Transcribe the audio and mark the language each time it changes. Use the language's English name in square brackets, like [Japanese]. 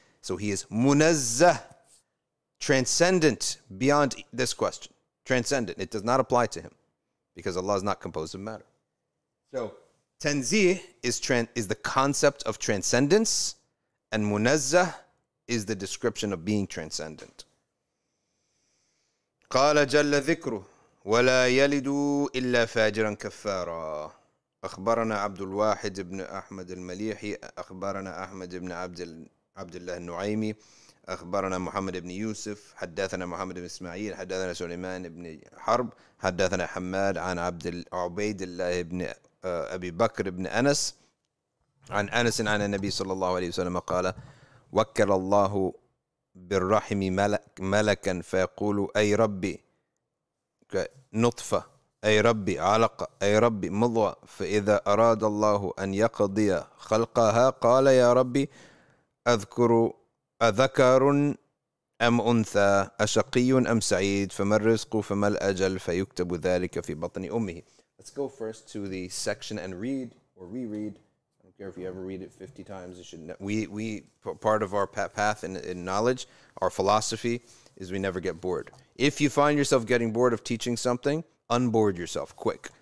[English] So he is munazzah. Transcendent beyond this question. Transcendent. It does not apply to him because Allah is not composed of matter. So, tanzih is the concept of transcendence, and munazzah is the description of being transcendent. [Arabic] قَالَ جَلَّ ذِكْرُ وَلَا يَلِدُ إِلَّا فَاجِرًا كَفَّارًا أَخْبَرَنَا عَبْدُ الْوَاحِدِ بْنِ أَحْمَدِ الْمَلِيحِ أَخْبَرَنَا أَحْمَدِ بْنِ عَبْدِ اللَّهِ النُّعَيْمِ أخبرنا محمد بن يوسف حدثنا محمد بن إسماعيل حدثنا سليمان بن حرب حدثنا حماد عن عبيد الله بن أبي بكر بن أنس عن أنس عن النبي صلى الله عليه وسلم قال وكل الله بالرحم ملكا فيقول أي ربي نطفة أي ربي علق أي ربي مضوى فإذا أراد الله أن يقضي خلقها قال يا ربي أذكر أذكر أم أنثى أشقي أم سعيد فما الرزق فما الأجل فيكتب ذلك في بطن أمه. [English] Let's go first to the section and read or reread. I don't care if you ever read it 50 times. You should know. We part of our path in knowledge, our philosophy, is we never get bored. If you find yourself getting bored of teaching something, unboard yourself quick.